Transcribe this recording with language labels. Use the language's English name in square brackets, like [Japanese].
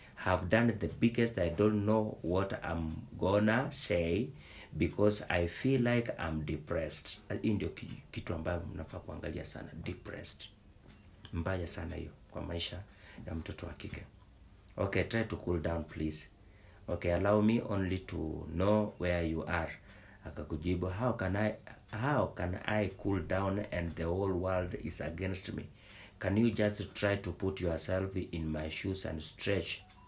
[English] Have done the biggest, I don't know what I'm gonna say, because I feel like I'm depressed. [Swahili] Hii ndio kitu ambayo mnafaa kuangalia sana, depressed. Mbaya sana hiyo, kwa maisha ya mtoto wa kike. [English] Okay, try to cool down, please. Okay, allow me only to know where you are. Akakujibu, how can I cool down and the whole world is against me? Can you just try to put yourself in my shoes and stretch?